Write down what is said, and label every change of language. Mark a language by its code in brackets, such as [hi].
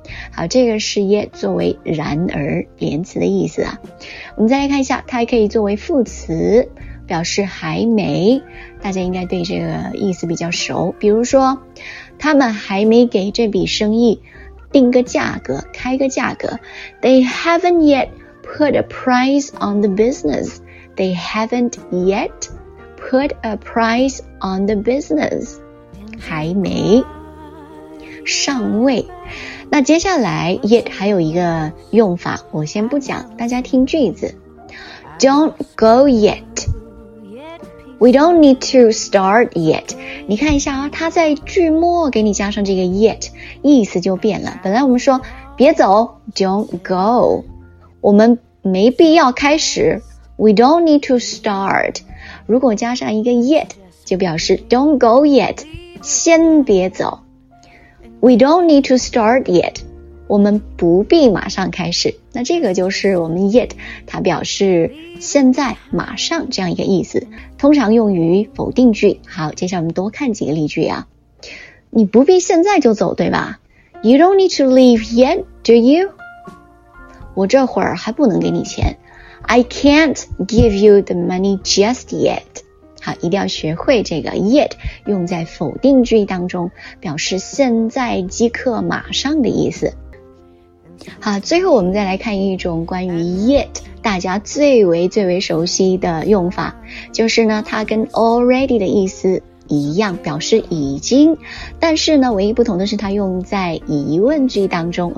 [zh] 好，这个是耶作为然而连词的意思啊。我们再来看一下，它还可以作为副词，表示还没，大家应该对这个意思比较熟。比如说，他们还没给这笔生意定个价格，开个价格。 [en] They haven't yet put a price on the business. They haven't yet put a price on the business. [zh] 还没，尚未。那接下来 yet 还有一个用法，我先不讲，大家听句子。 [en] Don't go yet. We don't need to start yet. [zh] 你看一下啊，它在句末给你加上这个 yet， 意思就变了。本来我们说别走 ， [en] don't go， [zh] 我们没必要开始。 [en] We don't need to start. [zh] 如果加上一个 [en] yet， [zh] 就表示 [en] don't go yet， [zh] 先别走。 [en] We don't need to start yet. [zh] 我们不必马上开始。那这个就是我们 yet， 它表示现在、马上这样一个意思，通常用于否定句。好，接下来我们多看几个例句啊。你不必现在就走，对吧 [en] ？You don't need to leave yet, do you? [zh] 我这会儿还不能给你钱。 [en] I can't give you the money just yet. [zh] 好，一定要学会这个 yet 用在否定句当中，表示现在、即刻、马上的意思。好，最后我们再来看一种关于 yet 大家最为熟悉的用法，就是呢它跟 already 的意思一样，表示已经，但是呢唯一不同的是它用在疑问句当中。